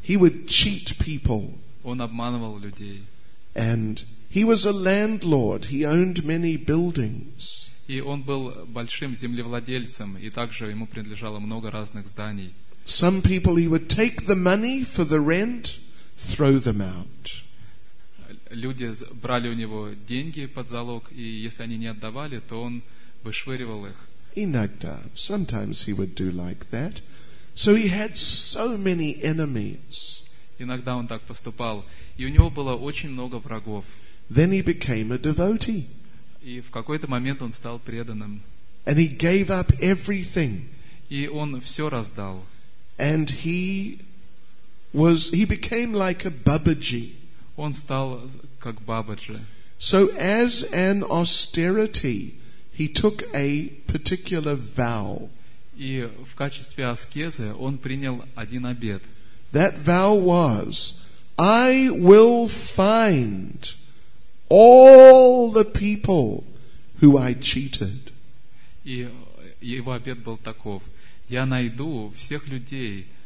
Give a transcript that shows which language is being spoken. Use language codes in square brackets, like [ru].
[en] He would cheat people. [ru] Он обманывал людей. [en] And he was a landlord. He owned many buildings. [ru] И он был большим землевладельцем, и также ему принадлежало много разных зданий. [en] Some people he would take the money for the rent, throw them out. [ru] Люди брали у него деньги под залог, и если они не отдавали, то он вышвыривал их. Иногда, [en] sometimes he would do like that. So he had so many enemies. [ru] Иногда он так поступал, и у него было очень много врагов. [en] Then he became a devotee. [ru] И в какой-то момент он стал преданным. [en] And he gave up everything. [ru] И он все раздал. [en] And he became like a Бабаджи. [ru] Он стал как Бабаджи. [en] So as an austerity, he took a particular vow. [ru] И в качестве аскезы он принял один обет. [en] That vow was, I will find all the people who I cheated. [ru] И его обет был таков: я найду всех людей,